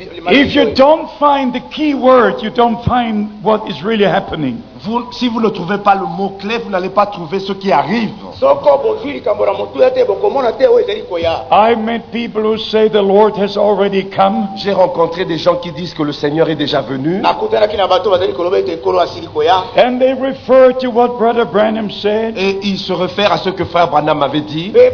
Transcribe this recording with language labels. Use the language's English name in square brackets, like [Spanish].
[English] If you don't find the key word, you don't find what is really happening. [French] Vous, si vous ne trouvez pas le mot clé, vous n'allez pas trouver ce qui arrive. [English] I met people who say the Lord has already come. [French] J'ai rencontré des gens qui disent que le Seigneur est déjà venu. [English] And they refer to what Brother Branham said. [French] Et ils se réfèrent à ce que Frère Branham avait dit.